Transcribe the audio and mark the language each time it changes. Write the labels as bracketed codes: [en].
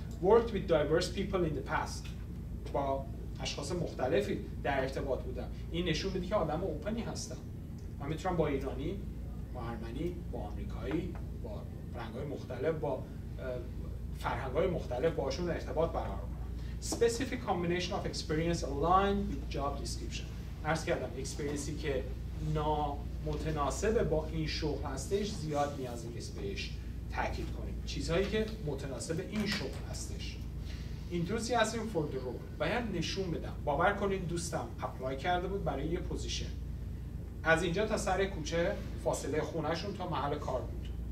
[en] Worked with diverse people in the past. [fa] با اشخاص مختلفی در ارتباط بودم. این نشون میده که آدم اوپنی هستم. من میتونم با ایرانی، با ارمنی، با آمریکایی، با رنگ‌های مختلف، با فرهنگ‌های مختلف باهاشون ارتباط برقرار کنم. [en] Specific combination of experience aligned with job description. [fa] عرض کردم اکسپریانسی که نامتناسب با این شغل هستش زیاد نیازی نیست بهش تاکید کنیم. چیزهایی که متناسب این شغل هستش. [en] Enthusiasm for the role. [fa] باید نشون بدم. باور کنید دوستم اپلای کرده بود برای یه پوزیشن. از اینجا تا سر کوچه فاصله خونهشون تا محل کار بود.